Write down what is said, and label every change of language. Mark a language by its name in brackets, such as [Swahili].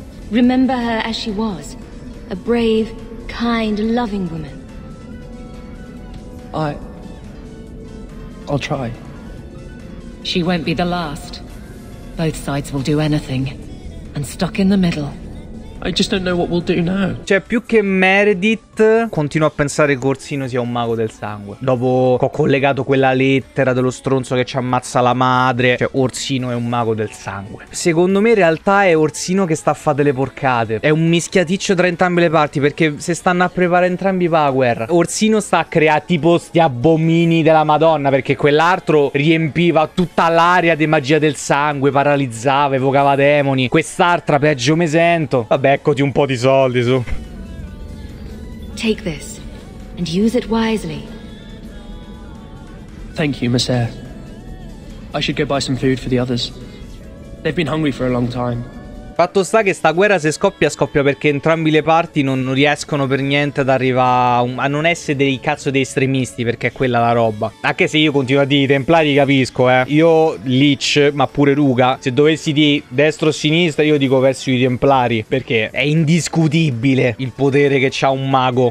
[English] Remember her as she was. A brave, kind, loving woman. I'll try. She won't be the last. Both sides will do anything. And stuck in the middle. I just don't know what we'll do now. [Italian] Cioè, più che Meredith, continuo a pensare che Corsino sia un mago del sangue. Dopo che ho collegato quella lettera dello stronzo che ci ammazza la madre, cioè, Orsino è un mago del sangue. Secondo me, in realtà, è Orsino che sta a fare delle porcate. È un mischiaticcio tra entrambe le parti, perché se stanno a preparare entrambi Power, Orsino sta a creare tipo sti abomini della Madonna, perché quell'altro riempiva tutta l'area di magia del sangue, paralizzava, evocava demoni. Quest'altra, peggio me sento. Vabbè, eccoti un po' di soldi, su. [English] Take this, and use it wisely. Thank you, Messer. I should go buy some food for the others. They've been hungry for a long time. [Italian] Fatto sta che sta guerra, se scoppia, scoppia perché entrambi le parti non riescono per niente ad arrivare a non essere dei cazzo dei estremisti, perché è quella la roba. Anche se io continuo a dire i templari, capisco, eh. Io, Lich, ma pure Ruga, se dovessi di destro o sinistra, io dico verso i templari, perché è indiscutibile il potere che c'ha un mago.